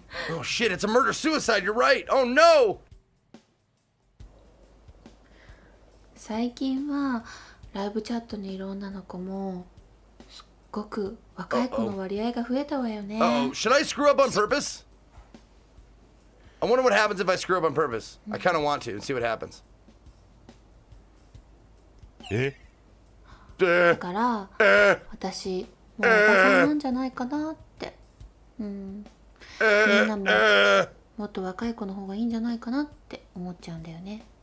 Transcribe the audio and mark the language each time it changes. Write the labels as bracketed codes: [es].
[en] Oh shit, it's a murder suicide, you're right. Oh no. [ja] 最近はライブチャットにいる女の子もすっごく若い子の割合が増えたわよね。 [en] Oh, should I screw up on purpose? I wonder what happens if I screw up on purpose. I kind of want to and see what happens. [ja] だから私もう私なんじゃないかなって。みんなももっと若い子の方がいいんじゃないかなって思っちゃうんだよね。